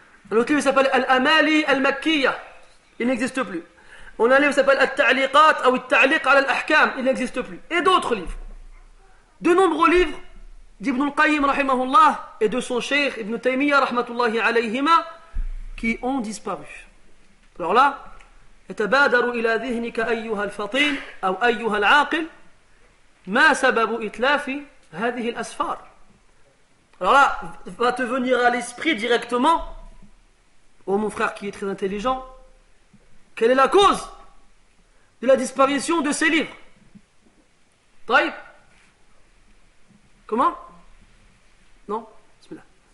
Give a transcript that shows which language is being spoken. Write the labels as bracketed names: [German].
[French] Un autre livre qui s'appelle Al-Amali al-Makkiya. Il n'existe plus. On a un livre qui s'appelle Al-Ta'liqat ou Al-Ta'liq ala al-Ahkam. Il n'existe plus. Et d'autres livres. De nombreux livres d'Ibn al-Qayyim rahimahullah et de son cheikh Ibn Taymiyyah rahmatullahi alayhima qui ont disparu. Alors là, [Arabic] يتبادر الى ذهنك ايها الفطين او ايها العاقل ما سبب اتلاف هذه الاسفار. [French] Alors là, va te venir à l'esprit directement, oh mon frère qui est très intelligent, quelle est la cause de la disparition de ces livres? طيب. Comment? Non? Bismillah.